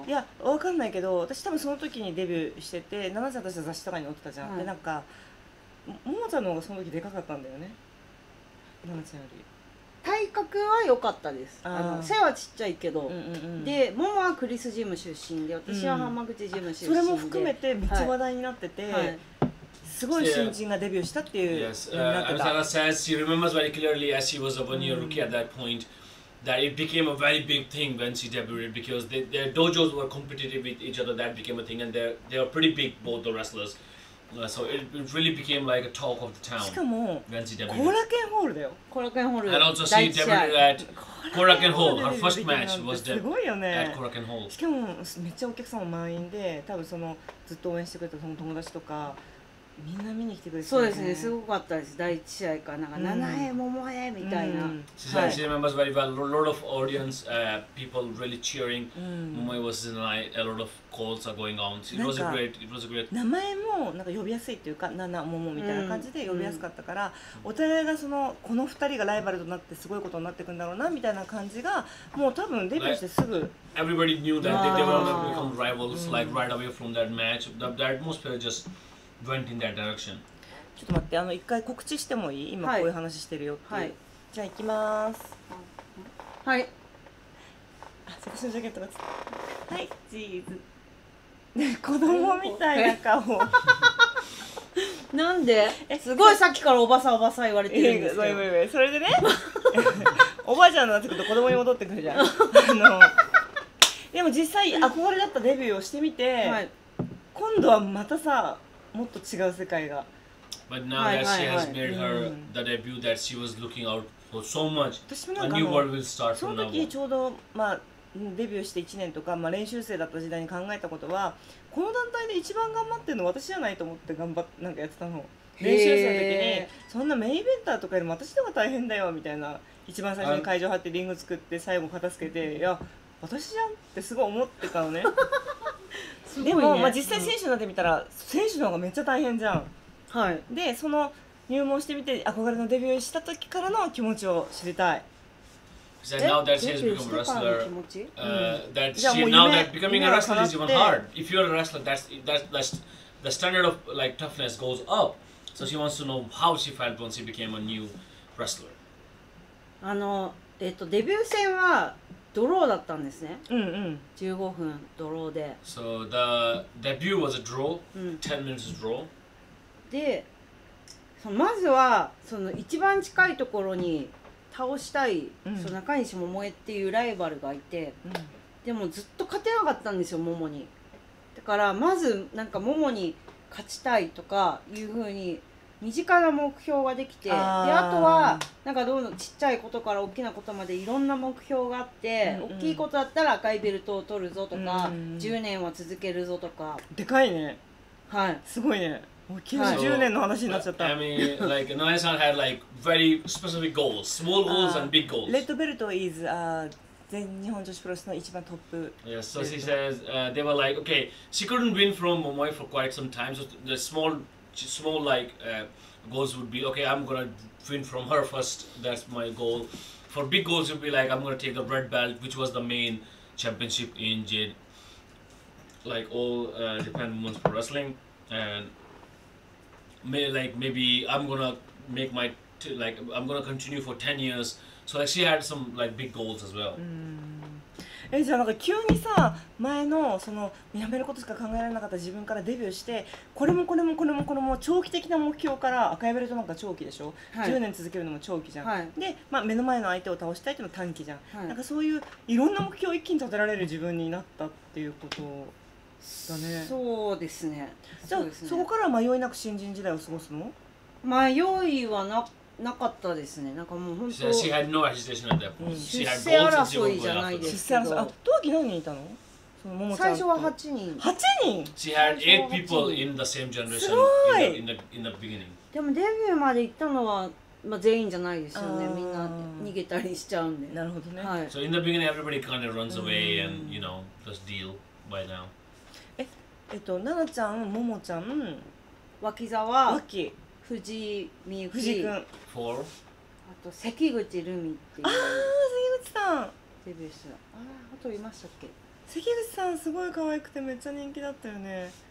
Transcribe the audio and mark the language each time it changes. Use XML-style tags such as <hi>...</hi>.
<ja>いや、わかんないけど、私多分その時にデビューしてて、奈々ちゃん私は雑誌とかに載ってたじゃん、はい、で、なんか桃ちゃんの方がその時でかかったんだよね、奈々ちゃんより。体格は良かったです。あの背はちっちゃいけど、で、桃はクリスジム出身で、私は浜口ジム出身で、それも含めてめっちゃ話題になってて、はいはい、すごい新人がデビューしたっていう。</ja> <en>Amisaka says she remembers very clearly as she was a one-year rookie at that point that it became a very big thing when she debuted because their dojos were competitive with each other. That became a thing and they were pretty big, both the wrestlers. So it really became like a talk of the town.</en> <ja>しかも、</ja> <en>when she debuted.</en> <ja>後楽園ホールだよ。後楽園ホール。</ja> <en>And also she debuted at 後楽園ホール。Her first match was</en> <ja>すごいよね。</ja> <en>at 後楽園ホール。</en> <ja>しかもめっちゃお客さんも満員で、多分そのずっと応援してくれたその友達とか。みんな見に来てくれて、ね、そうですね、すごかったです。第一試合かな、七重桃江みたいな。</ja> <en>She said she remembers very well. A lot of audience, people really cheering. 桃江 was in line. A lot of calls are going on. It was great.</en> <ja>名前もなんか呼びやすいっていうか、七重桃みたいな感じで呼びやすかったから、お互いがそのこの二人がライバルとなってすごいことになってくるんだろうなみたいな感じが、もう多分デビューしてすぐ。</ja> <en>Like, everybody knew that they were going to become rivals like right away from that match. The atmosphere just went in that direction.</en> <ja>ちょっと待って、一回告知してもいい？今こういう話してるよっていう。はい、じゃあ行きます。はい。私のジャケットがつはい、チーズ。子供みたいな顔。なんで？すごいさっきからおばさんおばさん言われてるんですけど。いそれでね、おばあちゃんになってくると子供に戻ってくるじゃん。でも実際憧れだったデビューをしてみて、はい、今度はまたさ、もっと違う世界が。</ja> <en>But now that she has made her the debut that she was looking out for so much, a new world will start from now.</en> <ja>その時ちょうど、まあ、デビューして1年とか、まあ、練習生だった時代に考えたことは、この団体で一番頑張ってるの私じゃないと思って頑張ってなんかやってたの。練習生の時にそんなメインイベンターとかよりも私の方が大変だよみたいな、一番最初に会場張ってリング作って最後片付けて、いや私じゃんってすごい思ってたの ね, ねでも、まあ、実際選手になってみたら、うん、選手の方がめっちゃ大変じゃん。はい、でその入門してみて憧れのデビューした時からの気持ちを知りたい。</ja> <en>Now that she has become a wrestler, that she now that becoming a wrestler is even hard. If you're a wrestler, that's the standard of like toughness goes up. So she wants to know how she felt when she became a new wrestler.</en> <ja>あの、デビュー戦はドローだったんですね。うんうん。 15分ドローで。</ja> <en>So the debut was a draw. 10 minutes draw.</en> <ja>で、まずはその一番近いところに倒したい、うん、その中西桃江っていうライバルがいて、うん、でもずっと勝てなかったんですよ桃に。だからまずなんか桃に勝ちたいとかいう風に身近な目標ができて、で、あとはなんかどうのちっちゃいことから大きなことまでいろんな目標があって、うんうん、大きいことだったら赤いベルトを取るぞとか、うんうん、10年は続けるぞとか。でかいね。はい、すごいね。 90年の話になっちゃった。</ja> <en>So, I mean, like, Nae-san had like very specific goals, small goals and big goals.</en> <ja>レッドベルト is 全日本女子プロレスの一番トップ。</ja> <en>Yes, so she says they were like, okay, she couldn't win from Momoi for quite some time, so the small like goals would be, okay, I'm gonna win from her first, that's my goal. For big goals, it would be like, I'm gonna take the red belt, which was the main championship in Jade, like all Japan Women's Pro Wrestling, and May, like maybe I'm gonna make my like I'm gonna continue for 10 years. So like, she had some like big goals as well.</en> <ja>うん。え、じゃあなんか急にさ、前のそのやめることしか考えられなかった自分からデビューして、これもこれもこれもこれも長期的な目標から、赤いベルトなんか長期でしょ、はい、10年続けるのも長期じゃん、はい、で、まあ、目の前の相手を倒したいっていうのも短期じゃん、はい、なんかそういういろんな目標を一気に立てられる自分になったっていうことをだね、そうですね。じゃあ そこから迷いなく新人時代を過ごすの？迷いは なかったですね。なんかもう本当。</ja> <en>She had no hesitation at that point. She had goals to go after.</en> <ja>出世争いじゃないですけど。当時何人いたの？そのももちゃん。最初は8人。 8人</ja> <en>？She had 8 people in the same generation in the beginning.</en> <ja>でもデビューまで行ったのは、まあ、全員じゃないですよね。みんな逃げたりしちゃうんで。なるほどね。はい、</ja> <en>so in the beginning, everybody kind of runs away and you know just deal by now.</en> <ja>奈々ちゃん、ももちゃん、脇沢、脇、藤井美ゆき、藤井くん、あと関口ルミっていう、あー関口さんデビューした、あー、あといましたっけ、関口さんすごい可愛くてめっちゃ人気だったよね、</ja>